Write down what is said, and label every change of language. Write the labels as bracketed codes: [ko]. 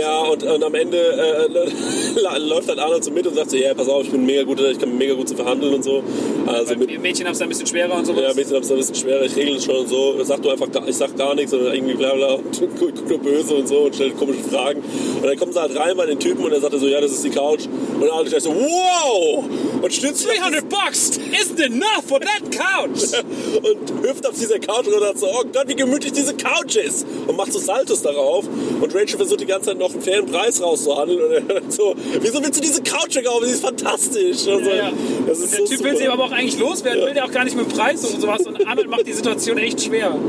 [de] Ja, und am Ende läuft halt Arnold so mit und sagt so, ja, pass auf, ich bin mega gut, ich kann mega gut zu verhandeln und so. Also mit Mädchen haben es ein bisschen schwerer und sowas. Ja, Mädchen haben es ein bisschen schwerer, ich regle es schon und so. Sag du einfach, ich sag gar nichts und irgendwie bla bla und guck nur böse und so und stellt komische Fragen. Und dann kommen sie halt rein bei den Typen und er sagte so, ja, das ist die Couch. Und Arnold sagt so, wow! Und stützt [en] 300 Bucks isn't enough for that couch! [de] Und hüpft auf dieser Couch und sagt so, oh Gott, wie gemütlich diese Couch ist! Und macht so Saltos darauf. Und Rachel versucht die ganze Zeit noch einen fairen Preis rauszuhandeln. Und er sagt so, wieso willst du diese Couch kaufen? Sie ist fantastisch! Und so, ja, ja. Das ist der so Typ super. Will sie aber auch eigentlich loswerden, ja. Will ja auch gar nicht mit dem Preis und sowas. Und Arnold macht die Situation echt schwer.